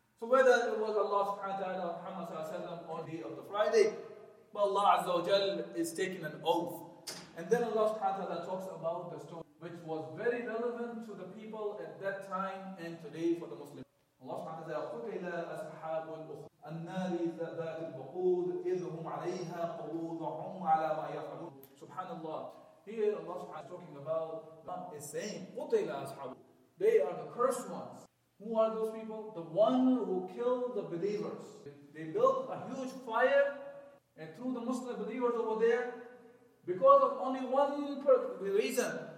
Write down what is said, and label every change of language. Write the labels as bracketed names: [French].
[English] So whether it was Allah subhanahu wa ta'ala, Muhammad sallallahu alayhi wa sallam, on the day of the Friday, but Allah Azza wa Jal is taking an oath. And then Allah subhanahu wa ta'ala talks about the story which was very relevant to the people at that time and today for the Muslims. Allah subhanahu wa ta'ala, [Arabic] قُتِلَ أَصْحَابُ الْأُخْدُودِ, النار ذات الوقود إذ هم عليها قعود وهم على ما يفعلون سبحان الله. [English] Here Allah subhanahu is talking about is saying [Arabic] قتل أصحاب. [English] They are the cursed ones. Who are those people? The one who killed the believers. They built a huge fire and threw the Muslim believers over there because of only one reason.